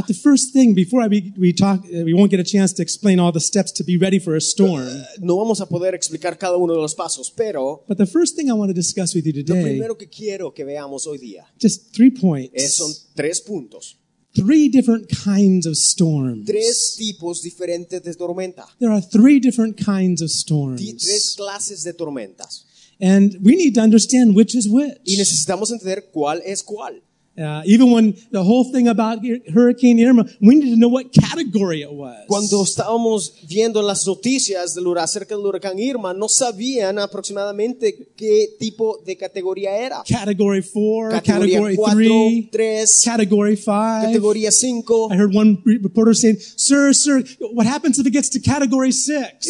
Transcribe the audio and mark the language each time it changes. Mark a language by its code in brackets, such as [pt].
[en] But the first thing, before we won't get a chance to explain all the steps to be ready for a storm. [es] No vamos a poder explicar cada uno de los pasos, pero. [en] But the first thing I want to discuss with you today. [es] Lo primero que quiero que veamos hoy día. [en] Just 3 points. [es] Son 3 puntos. [en] 3 different kinds of storms. [es] 3 tipos diferentes de tormenta. [en] There are 3 different kinds of storms. [es] 3 clases de tormentas. [en] And we need to understand which is which. [es] Y necesitamos entender cuál es cuál. [en] Even when the whole thing about Hurricane Irma, we need to know what category it was. [es] Cuando estábamos viendo las noticias acerca del huracán Irma, no sabían aproximadamente qué tipo de categoría era. [en] Category 4, category 3, category 5, [es] categoría 5. [en] I heard one reporter saying, sir, what happens if it gets to category 6?